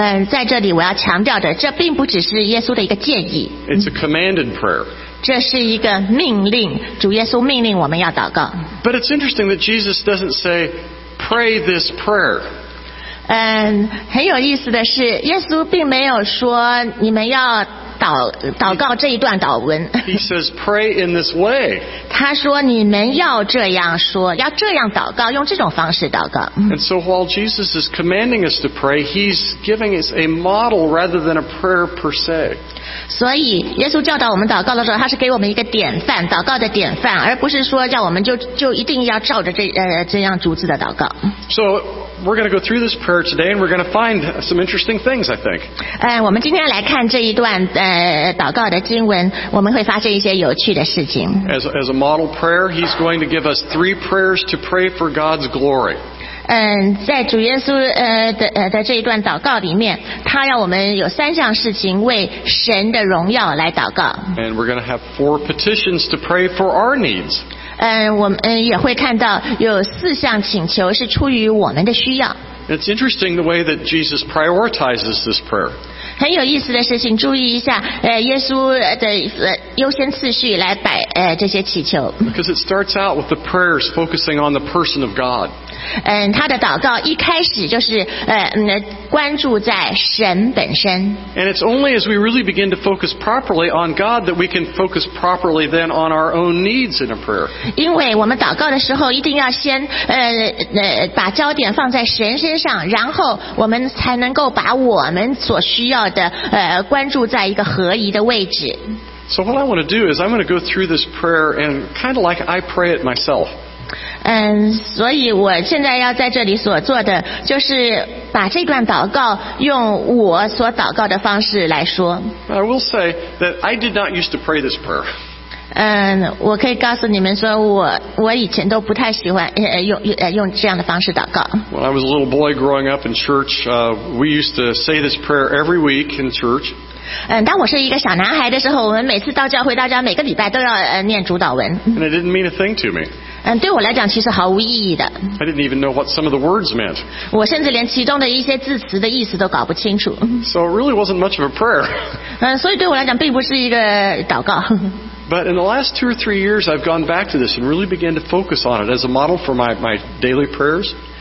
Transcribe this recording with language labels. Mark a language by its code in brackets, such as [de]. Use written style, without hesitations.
[zh] 在这里我要强调的，这并不只是耶稣的一个建议。 [en] It's a commanded prayer. [zh] 这是一个命令，主耶稣命令我们要祷告。 [en] But it's interesting that Jesus doesn't say, pray this prayer. [zh] 很有意思的是，耶稣并没有说你们要祷告这一段祷文。 [en] He says, pray in this way. [zh] 他说你们要这样说，要这样祷告，用这种方式祷告。 [en] And so while Jesus is commanding us to pray, he's giving us a model rather than a prayer per se. [zh] 所以耶稣教导我们祷告的时候，他是给我们一个典范，祷告的典范，而不是说叫我们就一定要照着这样逐字的祷告。 [en] So we're going to go through this prayer today, and we're going to find some interesting things, I think. [zh] 我们今天来看这一段祷告的经文，我们会发现一些有趣的事情。 [en] As a model prayer, he's going to give us three prayers to pray for God's glory. [zh] 在主耶稣的这一段祷告里面，他要我们有三项事情为神的荣耀来祷告。 [en] And we're going to have four petitions to pray for our needs. [zh] 我们也会看到有四项请求是出于我们的需要。 [en] It's interesting the way that Jesus prioritizes this prayer. [zh] 很有意思的事情，注意一下，耶稣的优先次序来摆这些祈求。 [en] Because it starts out with the prayers focusing on the person of God. [zh] 他的祷告一开始就是关注在神本身。 [en] And it's only as we really begin to focus properly on God that we can focus properly then on our own needs in a prayer. [zh] 因为我们祷告的时候一定要先把焦点放在神身上，然后我们才能够把我们所需要的关注在一个合宜的位置。 [en] So what I want to do is I'm going to go through this prayer and kind of like I pray it myself. [zh] 所以我现在要在这里所做的就是把这段祷告用我所祷告的方式来说。 [en] I will say that I did not used to pray this prayer. [zh] 我可以告诉你们说我以前都不太喜欢用这样的方式祷告。 [en] When I was a little boy growing up in church, we used to say this prayer every week in church. [zh] 当我是一个小男孩的时候，我们每次到教会，大家每个礼拜都要念主祷文。 [en] And it didn't mean a thing to me. [zh] 对我来讲其实毫无意义的。 [en] I didn't even know what some of the words meant. [zh] 我甚至连其中的一些字词的意思都搞不清楚。 [en] So it really wasn't much of a prayer. [zh] 所以对我来讲并不是一个祷告。 [en] But in the last two or three years, I've gone back to this and really began to focus on it as a model for my daily prayers.